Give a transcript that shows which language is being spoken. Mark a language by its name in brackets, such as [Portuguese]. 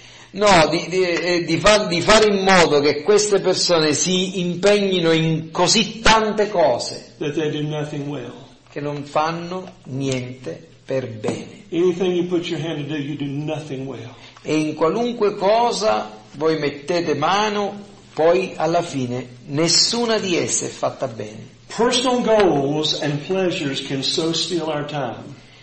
[Italian] No, di fare in modo che queste persone si impegnino in così tante cose [English] that they do nothing well. [Italian] Che non fanno niente per bene. [English] Anything you put your hand to do, you do nothing well. [Italian] E in qualunque cosa voi mettete mano, poi alla fine nessuna di esse è fatta bene. [English] Personal goals and pleasures can so steal our time.